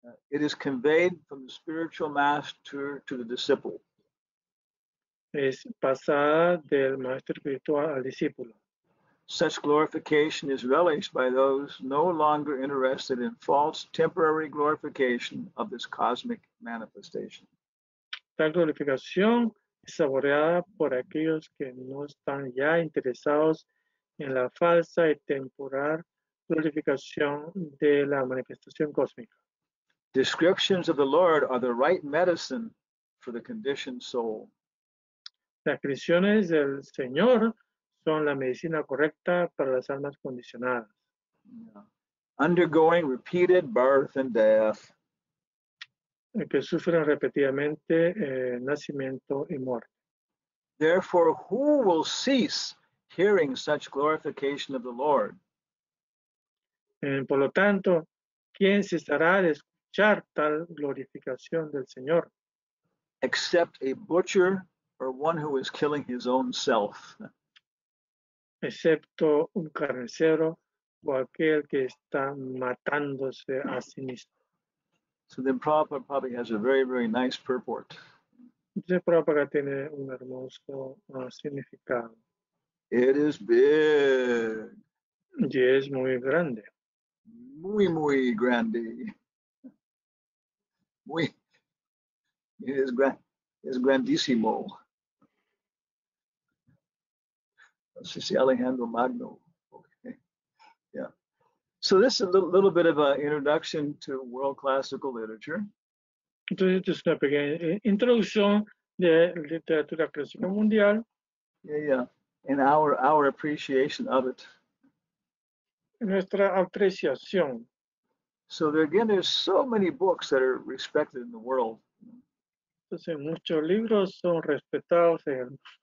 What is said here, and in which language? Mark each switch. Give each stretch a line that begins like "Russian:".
English: it is conveyed from the spiritual master to the disciple.
Spanish: Es pasada del maestro espiritual al discípulo.
English: Such glorification is relished by those no longer interested in false temporary glorification of this cosmic manifestation.
Spanish: Tal glorificación es saboreada por aquellos que no están ya interesados en la falsa y temporal glorificación de la manifestación cósmica.
English: Descriptions of the Lord are the right medicine for the conditioned soul.
Spanish: Las descripciones del Señor son la medicina correcta para las almas condicionadas.
English: Undergoing repeated birth and death.
Spanish: Que sufren repetidamente nacimiento y muerte.
English: Therefore, who will cease hearing such glorification of the Lord?
Spanish: Por lo tanto, ¿quién cesará de escuchar tal glorificación del Señor?
English: Except a butcher or one who is killing his own self.
Spanish: Excepto un carnicero o aquel que está matándose a sí mismo.
English: So then Prabhupada probably has a very, very nice purport.
Spanish: Entonces Prabhupada tiene un hermoso significado.
English: It is big.
Spanish: Y es muy grande. Muy, muy grande. Muy, es grandísimo. Así es, Alejandro Magno. Okay. Yeah.
English: So this is a little bit of an introduction to world classical literature.
Spanish: Entonces, esto es una pequeña introducción de literatura clásica mundial.
English: Yeah. And our appreciation of it.
Spanish: Nuestra apreciación.
English: So there, again, there's so many books that are respected in the world.
Spanish: Entonces, muchos libros son respetados en el mundo.